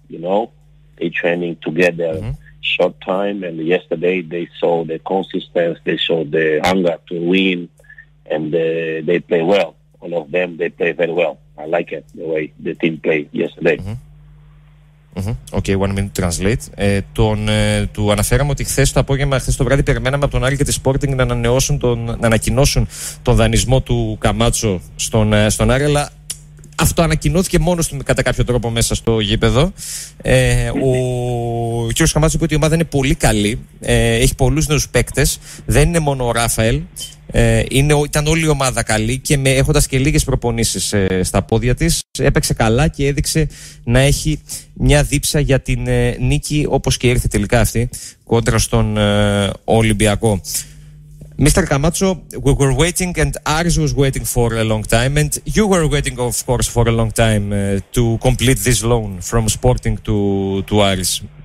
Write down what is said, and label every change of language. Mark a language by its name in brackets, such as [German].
[English] You know, they training together short time, and yesterday they saw the consistency, they saw the hunger to win, and they play well. All of them, they play very well. I like it, the way the team played yesterday. Okay, one minute translate. [Greek] Του αναφέραμε ότι χθες το απόγευμα, χθες το βράδυ, περιμέναμε από τον Άρη και τη Sporting να ανακοινώσουν τον δανεισμό του Καμάτσο στον Άρη, αλλά αυτό ανακοινώθηκε μόνος του κατά κάποιο τρόπο μέσα στο γήπεδο. Ο κύριος Καμάτσο είπε ότι η ομάδα είναι πολύ καλή, έχει πολλούς νέους παίκτες, δεν είναι μόνο ο Ράφαελ. Ήταν όλη η ομάδα καλή και έχοντας και λίγες προπονήσεις στα πόδια της, έπαιξε καλά και έδειξε να έχει μια δίψα για την νίκη, όπως και ήρθε τελικά αυτή κόντρα στον Ολυμπιακό. [English] Mr. Καμάτσο, we were waiting and Aris was waiting for a long time and you were waiting of course for a long time to complete this loan from Sporting to Aris.